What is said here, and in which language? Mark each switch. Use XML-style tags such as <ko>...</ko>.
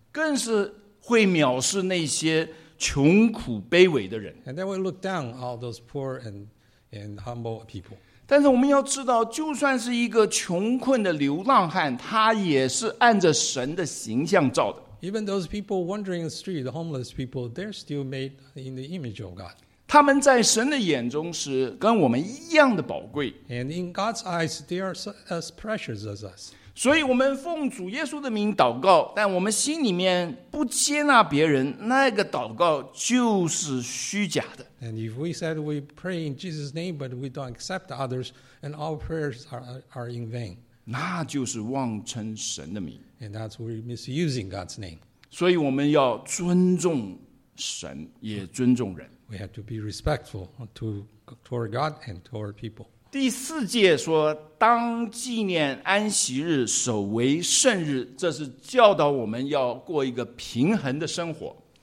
<zh>更是会藐视那些穷苦卑微的人。</zh> <en>And they will look down all those poor and humble people.</en> <zh>但是我们要知道，就算是一个穷困的流浪汉，他也是按着神的形象造的。</zh> <en>Even those people wandering the street, the homeless people, they're still made in the image of God.</en> <zh>他们在神的眼中是跟我们一样的宝贵。</zh> <en>And in God's eyes, they are as precious as us.</en> <zh>所以我们奉主耶稣的名祷告，但我们心里面不接纳别人，那个祷告就是虚假的。</zh> <en>And if we said we pray in Jesus' name, but we don't accept others, and our prayers are in vain.</en> <zh>那就是妄称神的名。</zh> <en>And that's we're misusing God's name.</en> <zh>所以我们要尊重神，也尊重人。</zh> <en>We have to be respectful toward God and toward people.</en> <zh>第四节说，当纪念安息日，守为圣日，这是教导我们要过一个平衡的生活。</zh>